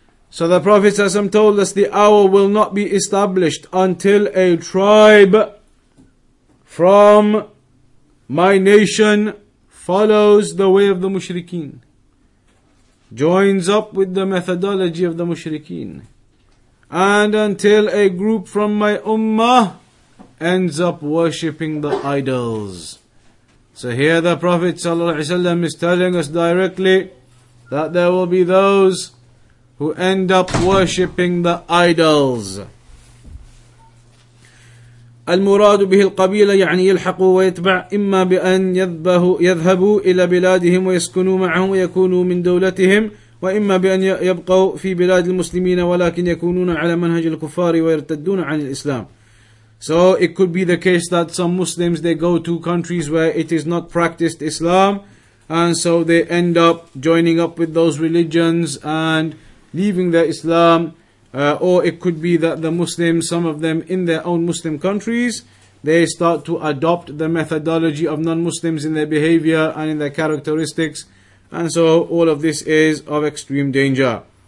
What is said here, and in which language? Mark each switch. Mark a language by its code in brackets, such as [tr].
[en] So the Prophet ﷺ told us the hour will not be established until a tribe from my nation follows the way of the mushrikeen, joins up with the methodology of the mushrikeen, and until a group from my ummah ends up worshipping the idols. So here the Prophet ﷺ is telling us directly that there will be those who end up worshipping the idols. [ar] المراد به القبيلة يعني يلحقوا ويتبع إما بأن يذهبوا إلى بلادهم ويسكنوا معهم ويكونوا من دولتهم وإما بأن يبقوا في بلاد المسلمين ولكن يكونون على منهج الكفار ويرتدون عن الإسلام. [en] So it could be the case that some Muslims, they go to countries where it is not practiced Islam, and so they end up joining up with those religions and leaving their Islam, or it could be that the Muslims, some of them in their own Muslim countries, they start to adopt the methodology of non-Muslims in their behavior and in their characteristics, and so all of this is of extreme danger.